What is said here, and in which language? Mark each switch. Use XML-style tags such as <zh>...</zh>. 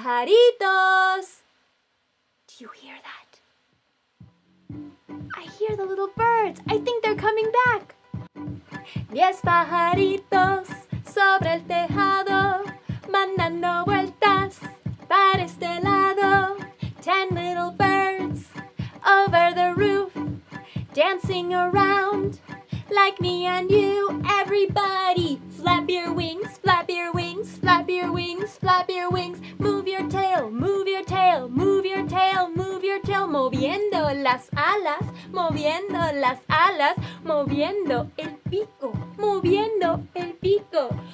<en>¡Pajaritos! Do you hear that? I hear the little birds. I think they're coming back.</en> <es>10 pajaritos sobre el tejado, mandando vueltas para este lado.</es> <en>10 little birds over the roof, dancing around like me and you. Everybody, flap your wings, flap your wings, flap your wings, flap your wings. Move your tail, move your tail, move your tail, move your tail.</en> <es>Moviendo las alas, moviendo las alas, moviendo el pico, moviendo el pico.</es>